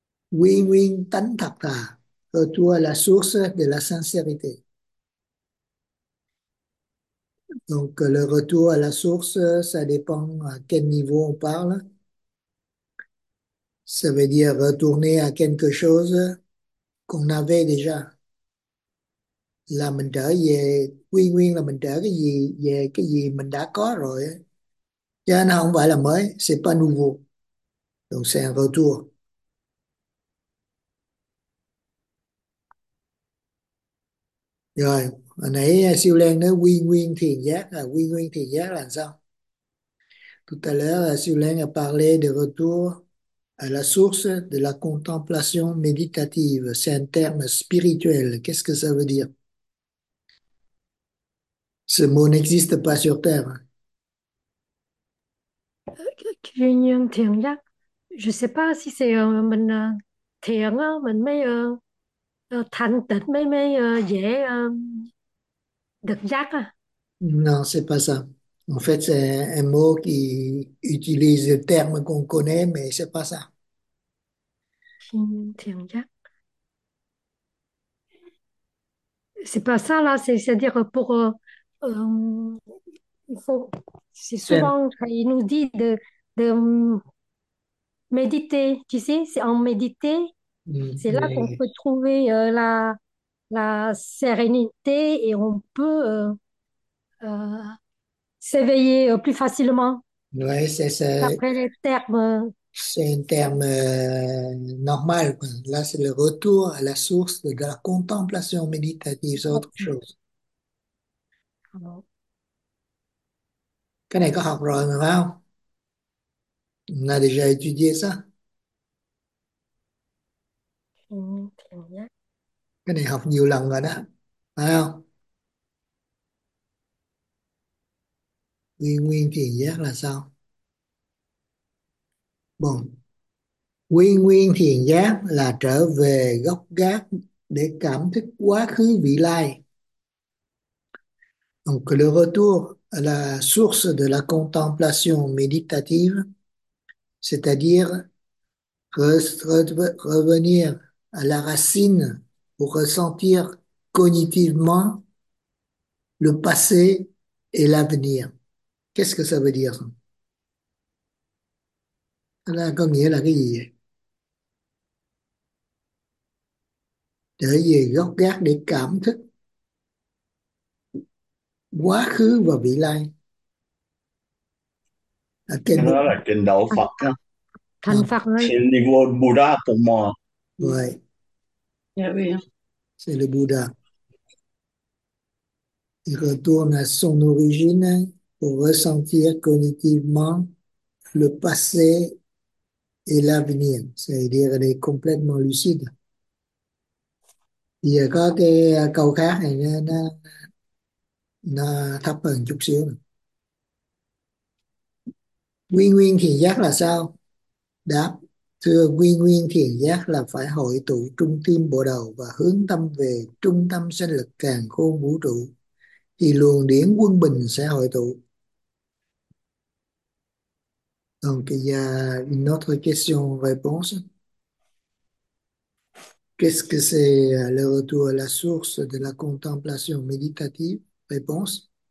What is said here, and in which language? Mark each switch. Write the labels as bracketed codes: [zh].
[vi] Quy nguyên tánh thật thà, [fr] retour à la source de la sincérité. Donc le retour à la source, ça dépend à quel niveau on parle. Ça veut dire retourner à quelque chose qu'on avait déjà. [vi] Là mình trở về, quy nguyên là mình trở cái gì, về cái gì mình đã có rồi. Cho nên không phải là mới, [fr] c'est pas nouveau. Donc c'est un retour. [vi] Rồi, hồi nãy Siêu Lan nói quy nguyên thiền giác, là quy nguyên thiền giác là sao? [fr] Tout à l'heure, Siêu Lan a parlé de retour à la source de la contemplation méditative. C'est un terme spirituel. Qu'est-ce que ça veut dire? Ce mot n'existe pas sur Terre. [vi] Nhưng thiền nhá, [fr] je sais pas si c'est [vi] mình thiền mình mới thanh tịnh mới mới dễ được giác à. [fr] Non, c'est pas ça. En fait, c'est un mot qui utilise le terme qu'on connaît, mais c'est pas ça. [vi] Thiền nhá. [fr] C'est pas ça là, c'est-à-dire pour il faut, c'est [en] Zen. [fr] souvent quand il nous dit de méditer, tu sais, c'est en méditer, c'est là qu'on peut trouver la sérénité et on peut s'éveiller plus facilement Ouais, d'après les termes. c'est un terme normal. Là, c'est le retour à la source de la contemplation méditative, c'est autre chose. [vi] Cái này có học rồi mà phải không? [fr] On a déjà étudié ça. Ok. [vi] Cái này học nhiều lần rồi đó. Phải không? Quy nguyên thiền giác là sao? Bon. Quy nguyên thiền giác là trở về gốc gác để cảm thức quá khứ vị lai. [fr] Donc le retour à la source de la contemplation méditative, c'est-à-dire revenir à la racine pour ressentir cognitivement le passé et l'avenir. Qu'est-ce que ça veut dire? [vi] Là, có nghĩa là cái gì? Trở về gốc gác để cảm thức quá khứ và vị lai. Ở Cái đó là trình độ Phật á, Thành Phật trên niveau Buddha Pomo. rồi. [en] Yeah, [fr] C'est le Bouddha. Il retourne à son origine pour ressentir cognitivement le passé et l'avenir. C'est-à-dire qu'il est complètement lucide. Il y a [vi] có cái câu khác này nó thấp hơn chút xíu. Quy nguyên thiền giác là sao? Đáp: thưa, quy nguyên thiền giác là phải hội tụ trung tâm bộ đầu và hướng tâm về trung tâm sinh lực càn khôn vũ trụ, thì luồng điển quân bình sẽ hội tụ. [fr] Donc, il y a une autre question réponse. Qu'est-ce que c'est le retour à la source de la contemplation méditative? Réponse.